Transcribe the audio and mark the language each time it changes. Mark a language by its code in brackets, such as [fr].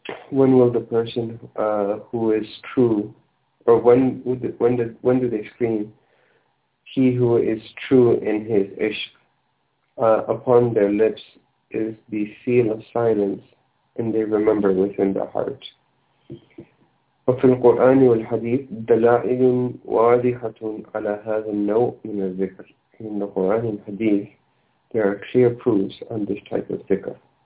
[en] When will the person who is true, or when do they scream? He who is true in his ishq, upon their lips is the seal of silence, and they remember within the heart. [ar] وفي القرآن والحديث دلائل واضحة على هذا النوع من الذكر. [en] In the Quran and Hadith, there are clear proofs on this type of dhikr.